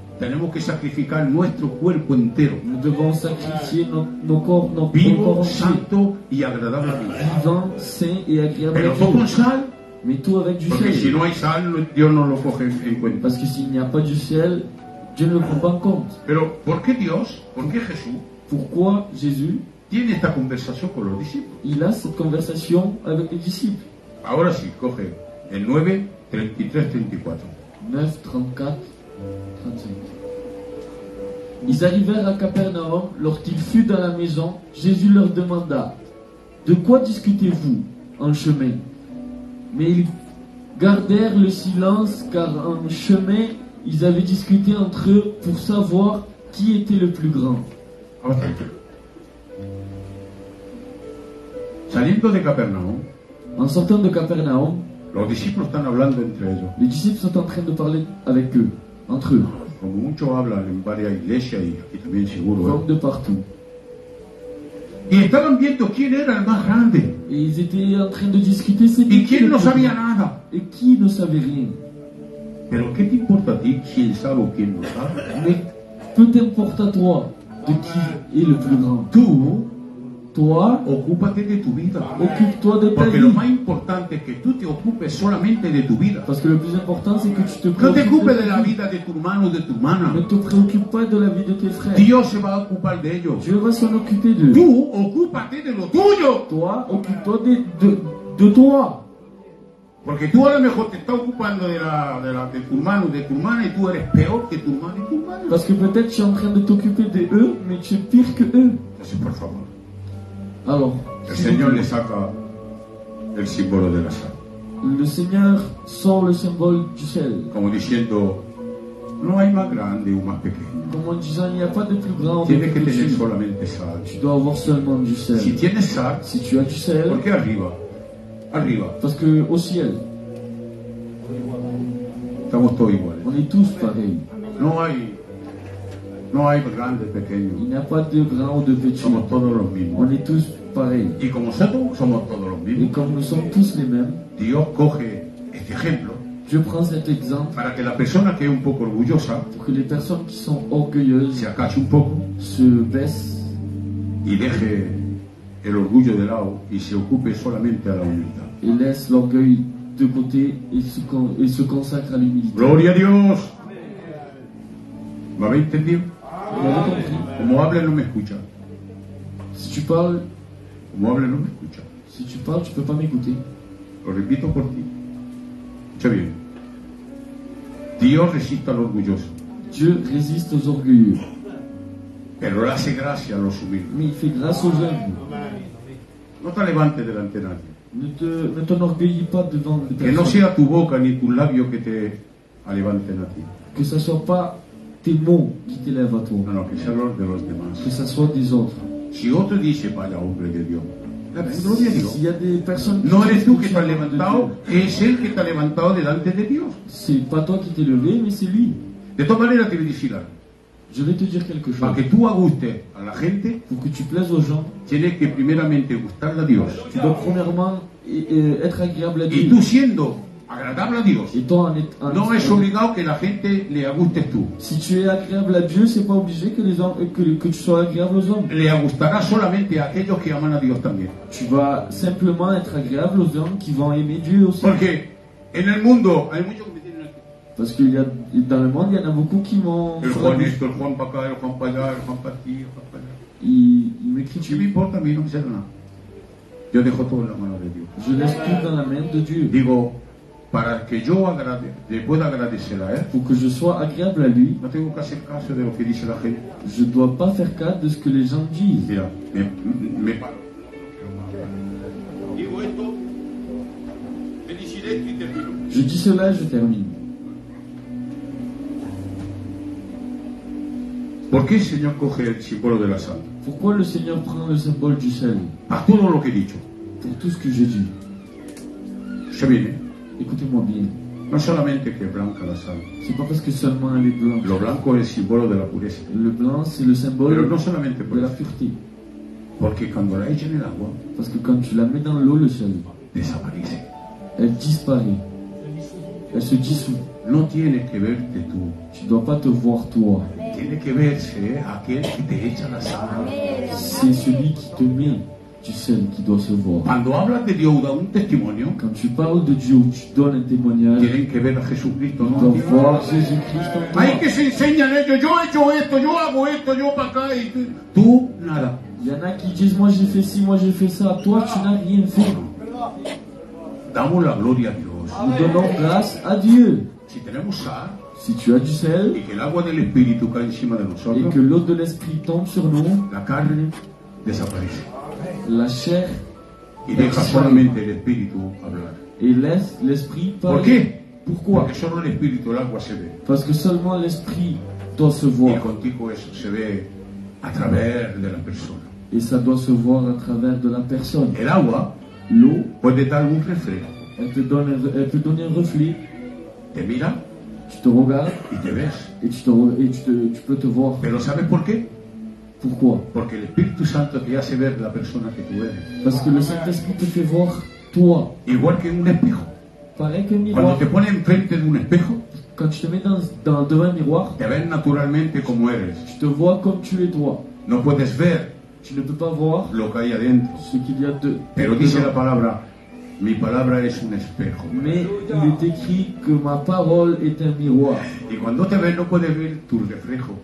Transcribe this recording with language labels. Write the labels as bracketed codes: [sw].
[es] Tenemos que sacrificar nuestro cuerpo entero. [fr] Nous devons sacrifier nos corps, nos [es] vivo, santo y agradable a Dios. [fr] Vivant, saint et agréable. [es] Pero todo con sal. [fr] Mais tout avec du [es] porque [fr] sel. [es] Si no hay sal, Dios no lo coge en cuenta. [fr] Parce que s'il n'y a pas du sel, je ne le prends pas en compte. [es] Pero, ¿por qué Dios? ¿Por qué Jesús? [fr] Pourquoi Jésus [es] tiene esta conversación con los discípulos? [fr] Il a cette conversation avec les disciples. [es] Ahora sí, coge el 9:33-34. [fr] Ils arrivèrent à Capernaum. Lorsqu'il fut dans la maison, Jésus leur demanda: de quoi discutez-vous en chemin? Mais ils gardèrent le silence, car en chemin ils avaient discuté entre eux pour savoir qui était le plus grand. [es] Saliendo de Capernaum. [fr] En sortant de Capernaum. [es] Los discípulos están hablando entre ellos. [fr] Les disciples sont en train de parler avec eux, entre eux. [es] Como mucho hablan en varias iglesias y aquí también seguro. [fr] Comme de partout. [es] Y estaban viendo quién era el más grande. [fr] Et ils étaient en train de discuter. [es] Y quién no sabía nada. [fr] Et qui ne savait rien. [es] Pero ¿qué te importa a ti quién sabe o quién no sabe? ¿Qué te importa a ti de quién es el más grande? Tú, [fr] toi, [es] ocúpate de tu vida. [fr] Ocupa-toi de [es] porque [fr] ta vie. [es] Lo más importante es que tú te ocupes solamente de tu vida. [fr] Parce que [es] lo más importante es que tú te preocupes. No te ocupes de la vida de tu hermano o de tu hermana. [fr] Ne te preocupes pas de la vie de tes frères. [es] Dios se va a ocupar de ellos. [fr] Dieu va s'en occuper d'eux. [es] Tú, ocúpate de lo tuyo. [fr] Toi, ocupa-toi de toi. [es] Porque tú a lo mejor te estás ocupando de tu hermano o de tu hermana y tú eres peor que tu hermano y tu hermana. [fr] Parce que peut-être tu es en train de t'occuper de eux, mais tu es pire que eux. [es] Así, por favor. [fr] Alors, [es] el Señor le saca el símbolo de la sal. [fr] Le Seigneur sort le symbole du sel. [es] Como diciendo, no hay más grande o más pequeño. Como diciendo, [fr] il n'y a pas de plus grand. [es] Tienes que tener solamente sal. [fr] Tu dois avoir seulement du sel. [es] Si tienes sal, [fr] si tu as du sel, [es] ¿por qué arriba? Arriba. [fr] Parce que au ciel. [es] Estamos todos iguales. [fr] On est tous pareils. [es] No hay grande, pequeño. [fr] Il n'y a pas de grand ou de petit. [es] Somos todos los mismos. [fr] On est tous pareils. [es] Y como nosotros somos todos los mismos. [fr] Et comme nous sommes tous les mêmes. [es] Dios coge este ejemplo. [fr] Dieu prend cet exemple. [es] Para que la persona que es un poco orgullosa. [fr] Pour que les personnes qui sont orgueilleuses. [es] Se acache un poco. [fr] Se baisse. [es] Y deje el orgullo de lado y se ocupe solamente a la humildad. [fr] Et laisse l'orgueil de côté et se consacre à l'humilité. [es] Gloria a Dios. ¿Me habéis entendido? Como hable no me escucha. [fr] Si tu parles, [es] como hable no me escucha. [fr] Si tu parles, tu peux pas m'écouter. [es] Lo repito por ti. Escucha bien. Dios resiste al orgulloso. [fr] Dieu résiste aux orgueilleux. [es] Pero le hace gracia a los humildes. [fr] Mais il fait grâce aux humbles. [es] No te levantes delante de nadie. [fr] Ne t'enorgueillis pas devant. [es] Que no sea tu boca ni tu labio que te levanten a ti. [fr] Que ça soit pas tes mots qui t'élèvent à toi. Alors, que ça soit [es] de los demás. [fr] Que ça soit des autres. Si on te dit, c'est pas la ombre de Dieu. Si y a des personnes qui [es] no eres tú que te has levantado, es él que te ha levantado delante de Dios. [fr] C'est pas toi qui t'es levé, mais c'est lui. De toute manière, tu le dis là. Je vais te dire quelque chose. [es] Para que tú agustes a la gente, [fr] pour que tu plaises aux gens, [es] tienes que primeramente gustar a Dios. [fr] Tu dois premièrement être agréable à Dieu. [es] Y tú siendo agradable a Dios. [fr] Et toi, en [es] no es obligado que la gente le agustes tú. [fr] Si tu es agréable à Dieu, c'est pas obligé que les hommes que tu sois agréable aux hommes. [es] Le gustará solamente a aquellos que aman a Dios también. [fr] Tu vas simplement être agréable aux hommes qui vont aimer Dieu aussi. [es] Porque en el mundo hay muchos. [fr] Parce que dans le monde, il y en a beaucoup qui m'ont. [es] Le Juan esto, le Juan para acá, le Juan para allá, le Juan para ti, le Juan para allá. [fr] Il m'écrit. [es] ¿Qué me importa a mí? No me sirve nada. Yo dejo todo en la mano de Dios. [fr] Je laisse tout dans la main de Dieu. [es] Digo, para que yo le pueda agradecer a él. [fr] Pour que je sois agréable à lui. [es] No tengo que hacer caso de lo que dice la gente. [fr] Je ne dois pas faire cas de ce que les gens disent. [es] Mira, me paro. Digo esto, felicité y termino. [fr] Je dis cela et je termine. [es] ¿Por qué el Señor coge el símbolo de la sal? ¿Por qué el Señor [fr] prend [es] el símbolo del sel? A todo lo que he dicho. Por todo lo que he dicho. Escucha bien, ¿eh? Escúchame bien. No solamente que es blanca la sal. [fr] C'est pas parce que seulement elle est blanche. [es] Lo blanco es el símbolo de la pureza. [fr] Le blanc, c'est le symbole. [es] Pero no solamente por [fr] de la pureté. [es] Porque cuando la echas en el agua. [fr] Parce que [es] cuando [fr] tu la mets dans l'eau, le sel. [es] Desaparece. [fr] Elle disparaît. Elle se dissout. [es] No tienes que verte tú. [fr] Tu dois pas te voir toi. [es] Tiene que verse aquel que te echa la sal. [fr] C'est celui qui te met du sel qui doit se voir. [es] Cuando hablas de Dios da un testimonio. [fr] Quand tu parles de Dieu, tu donnes un témoignage. [es] Tienen que ver a Jesucristo, ¿no? [fr] Donc voir Jésus-Christ. [es] Hay que se enseñan ellos. Yo he hecho esto, yo hago esto, yo para acá y tú nada. [fr] Y en a qui disent moi j'ai fait ci, moi j'ai fait ça. Toi tu n'as rien fait. [es] Damos la gloria a Dios. [fr] Nous donnons grâce à Dieu. [es] Si tenemos sal. [fr] Si tu as du sel [es] y que el agua del espíritu cae encima de nosotros, [fr] et que l'eau de l'esprit tombe sur nous, [es] la carne desaparece, [fr] la chair [es] y deja solamente el espíritu hablar, [fr] et laisse l'esprit parler. [es] ¿Por qué? [fr] Pourquoi? [es] Porque solo el espíritu, el agua se ve. [fr] Parce que seulement l'esprit doit se voir. [es] Y contigo eso se ve a través de la persona. [fr] Et ça doit se voir à travers de la personne. [es] El agua, [fr] l'eau, [es] puede dar un reflejo. [fr] Elle peut donner un reflet. [es] Te mira. [fr] Tu te regardes et [es] te ves. [fr] Et tu peux te voir. [es] Pero sabes por qué? [fr] Pourquoi? [es] Porque el Espíritu Santo te hace ver la persona que tú eres. [fr] Parce que le Saint-Esprit te fait voir toi. [es] Igual que un espejo. [fr] Pareil que un miroir. [es] Cuando te pones enfrente de un espejo, [fr] quand tu te mets devant un miroir, [es] te ves naturalmente como eres. [fr] Tu te vois comme tu es toi. [es] No puedes ver. [fr] Tu ne peux pas voir [es] lo que hay adentro. [fr] Ce qu'il y a de. [es] Pero dice la palabra. Mi palabra es un espejo. [fr] Mais il est écrit que ma parole est un miroir. [es] Y cuando te ves no puedes ver tu reflejo.